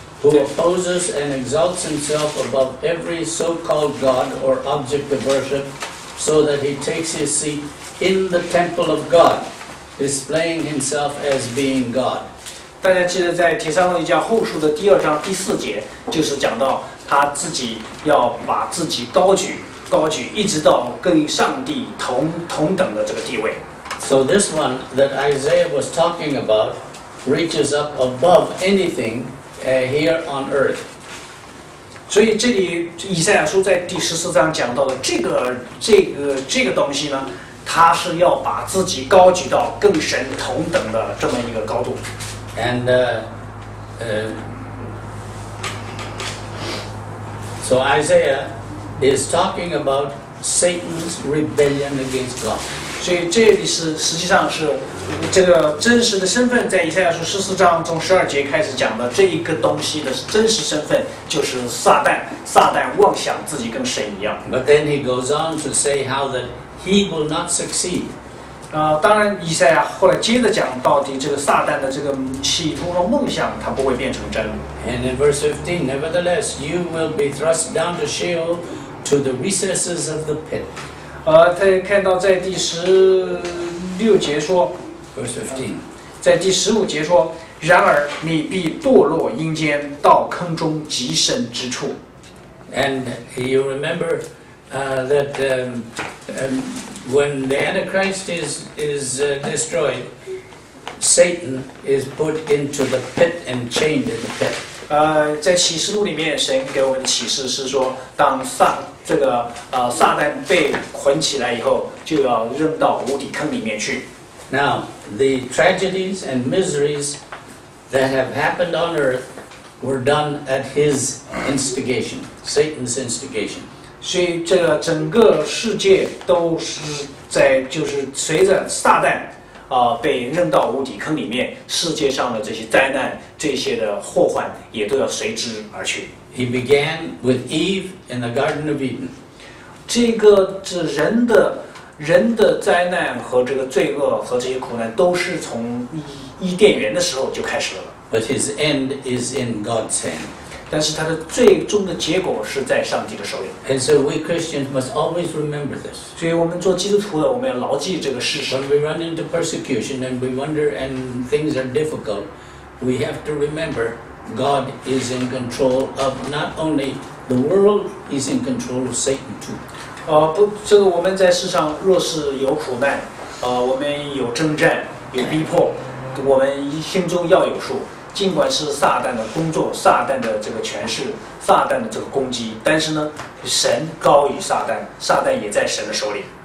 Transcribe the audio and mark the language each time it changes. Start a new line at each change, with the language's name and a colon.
English: Who opposes and exalts himself above every so-called god or object of worship, so that he takes his seat in the temple of God, displaying himself as being God.
Chinese: 大家记得在帖撒罗尼迦后书的第二章第四节，就是讲到他自己要把自己高举，一直到跟上帝同等的这个地位。
English: So this one that Isaiah was talking about reaches up above anything. Here on earth.
Chinese: 所以这里以赛亚书在第十四章讲到的这个东西呢，他是要把自己高举到跟神同等的这么一个高度。
English: And so Isaiah is talking about Satan's rebellion against God.
Chinese: 所以这里是实际上是。这个真实的身份在以赛亚书十四章从十二节开始讲的这一个东西的真实身份就是撒旦妄想自己跟神一样。
English: But then he goes on to say how that he will not succeed.
Chinese: 当然以赛亚后来接着讲到底这个撒旦的这个企图和梦想它不会变成真。
English: And in verse 15, nevertheless, you will be thrust down to Sheol to the recesses of the pit.
Chinese: 他也看到在第十六节说
English: Verse 15.
Chinese: 在第十五节说，然而你必堕落阴间，到坑中极深之处。
English: And you remember that when the Antichrist is destroyed, Satan is put into the pit and chained in the pit.
Chinese: 在启示录里面，神给我们启示是说，当撒旦被捆起来以后，就要扔到无底坑里面去。
English: Now, the tragedies and miseries that have happened on earth were done at his instigation, Satan's instigation.
Chinese: 所以这个整个世界都是在就是随着撒旦被扔到无底坑里面，世界上的这些灾难、这些的祸患也都要随之而去。
English: He began with Eve in the Garden of Eden.
Chinese: 这个是人的灾难和这个罪恶和这些苦难都是从伊甸园的时候就开始了。
English: But his end is in God's hand.
Chinese: 但是他的最终的结果是在上帝的手里。
English: And so we Christians must always remember this.
Chinese: 所以我们做基督徒的，我们要牢记这个事实。
English: When we run into persecution and we wonder and things are difficult, we have to remember God is in control of not only the world, he's in control of Satan too.
Chinese: 这个我们在世上若是有苦难，我们有征战，有逼迫，我们心中要有数。尽管是撒旦的工作，撒旦的这个权势，撒旦的这个攻击，但是呢，神高于撒旦，撒旦也在神的手里。